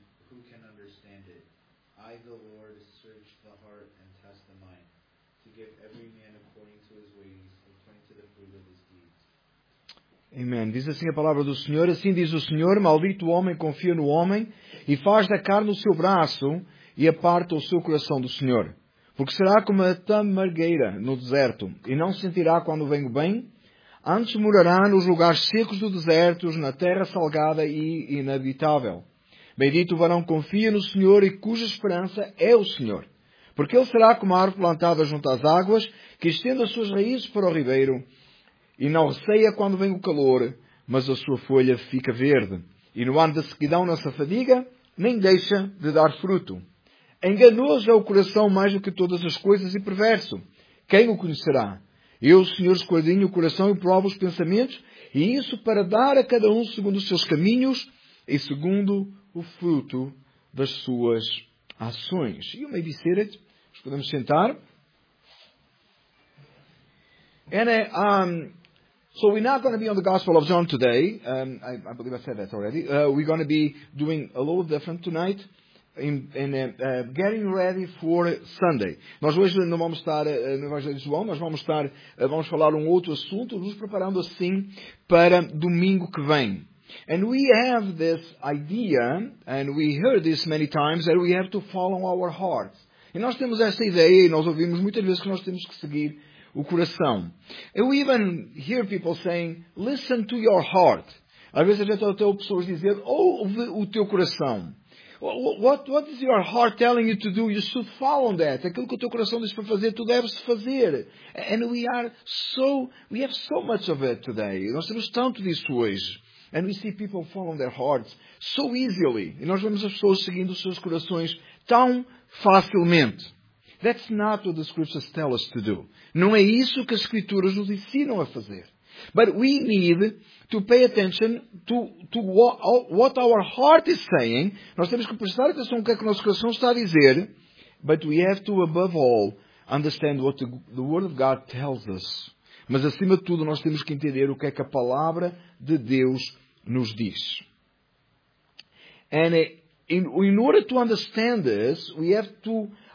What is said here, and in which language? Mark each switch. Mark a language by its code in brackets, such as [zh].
[en] Who can understand it? I, the Lord, search the heart and test the mind, to give every man according to his ways, according to the fruit of his deeds. [pt] Amen. Diz assim a palavra do Senhor. Assim diz o Senhor: maldito o homem, confia no homem, e faz da carne o seu braço, e aparta o seu coração do Senhor. Porque será como a tamargueira no deserto, e não sentirá quando vem o bem. Antes morará nos lugares secos do deserto, na terra salgada e inabitável. Bendito o varão que confia no Senhor e cuja esperança é o Senhor. Porque ele será como a árvore plantada junto às águas, que estende as suas raízes para o ribeiro, e não receia quando vem o calor, mas a sua folha fica verde. E no ano da sequidão não se fadiga, nem deixa de dar fruto. Enganoso é o coração mais do que todas as coisas e perverso. Quem o conhecerá? Eu, o Senhor, escudrinho o coração e provo os pensamentos, e isso para dar a cada um segundo os seus caminhos e segundo o fruto das suas ações. [en] You may be seated. [pt] Nós podemos sentar. [en] And so we're not going to be on the Gospel of John today. I believe I said that already. We're going to be doing a little different tonight. Getting ready for Sunday. [pt] Nós hoje não vamos estar no Evangelho de João, mas vamos falar um outro assunto, nos preparando assim para domingo que vem. [en] And we have this idea, and we heard this many times, that we have to follow our hearts. [pt] E nós temos essa ideia, e nós ouvimos muitas vezes que nós temos que seguir o coração. [en] And we even hear people saying, listen to your heart. [pt] Às vezes a gente ouve pessoas dizer, ouve o teu coração. [en] What is your heart telling you to do? You should follow that. [pt] Aquilo que o teu coração diz para fazer, tu deves fazer. [en] And we have so much of it today. [pt] Nós temos tanto disso hoje. [en] And we see people following their hearts so easily. [pt] E nós vemos as pessoas seguindo os seus corações tão facilmente. [en] That's not what the scriptures tell us to do. [pt] Não é isso que as escrituras nos ensinam a fazer. [en] But we need to pay attention to what our heart is saying. [pt] Nós temos que prestar atenção no que é que o nosso coração está a dizer. [en] But we have to, above all, understand what the Word of God tells us. [pt] Mas, acima de tudo, nós temos que entender o que é que a Palavra de Deus nos diz. [en] And in order to understand this, we have to...